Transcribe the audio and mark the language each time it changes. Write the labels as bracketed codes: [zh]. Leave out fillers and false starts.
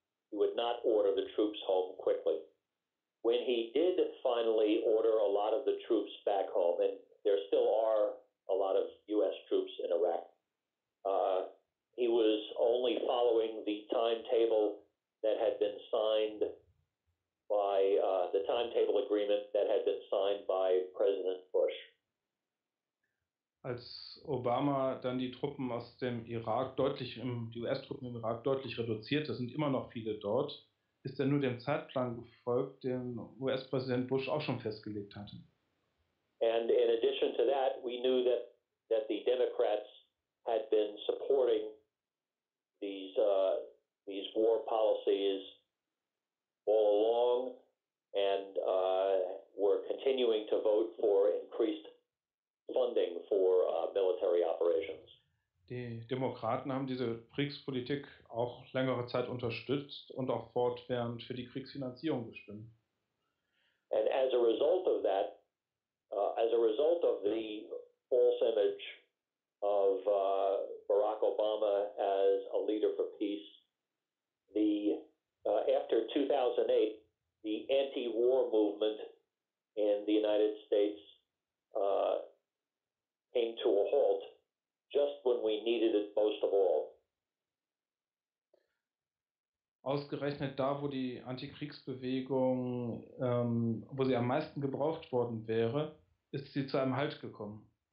[en] He would not order the troops home quickly. When he did finally order a lot of the troops back home, and there still are a lot of U.S. troops in Iraq, he was only following the timetable that had been signed by the timetable agreement that had been signed by President Bush. [de] Als Obama dann die Truppen aus dem Irak deutlich, die US-Truppen im Irak deutlich reduziert, es sind immer noch viele dort, ist er nur dem Zeitplan gefolgt, den US-Präsident Bush auch schon festgelegt hatte. [en] And in addition to that, we knew that the Democrats had been supporting these war policies all along and were continuing to vote for increased funding for military operations. [de] Die Demokraten haben diese Kriegspolitik auch längere Zeit unterstützt und auch fortwährend für die Kriegsfinanzierung gestimmt. [en] And as a result of that, as a result of the false image of Barack Obama as a leader for peace, the after 2008, the anti-war movement in the United States came to a halt just when we needed it most of all. [de] Ausgerechnet da, wo die Antikriegsbewegung, wo sie am meisten gebraucht worden wäre, ist sie zu einem Halt gekommen.